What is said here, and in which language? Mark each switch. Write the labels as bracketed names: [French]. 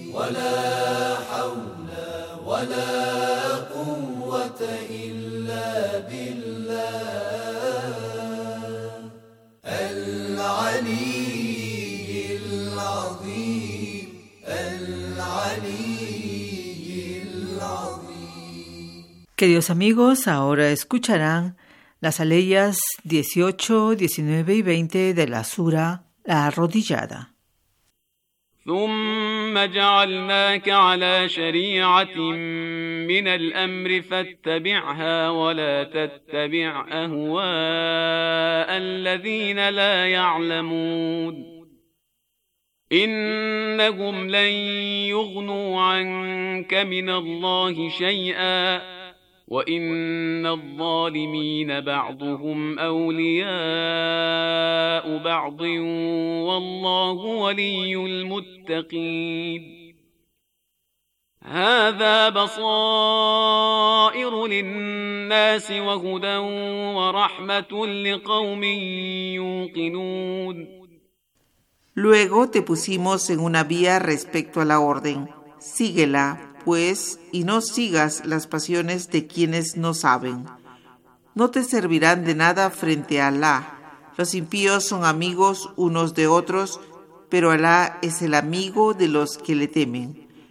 [Arabic] ولا قوة إلا بالله العلي العظيم العلي العظيم. [Spanish] Queridos amigos, ahora escucharán las aleyas 18, 19 y 20 de la sura La Arrodillada. [Arabic] ثم جعلناك على شريعة من الأمر فاتبعها ولا تتبع أهواء الذين لا يعلمون إنهم لن يغنوا عنك من الله شيئا وإن الظالمين بعضهم أولياء بعض والله ولي المتقين هذا بصائر للناس وهدى ورحمة لقوم يوقنون. [Spanish] Luego te pusimos en una vía respecto a la orden. Síguela, pues, y no sigas las pasiones de quienes no saben. No te servirán de nada frente a Alá. Los impíos son amigos unos de otros, pero Alá es el amigo de los que le temen.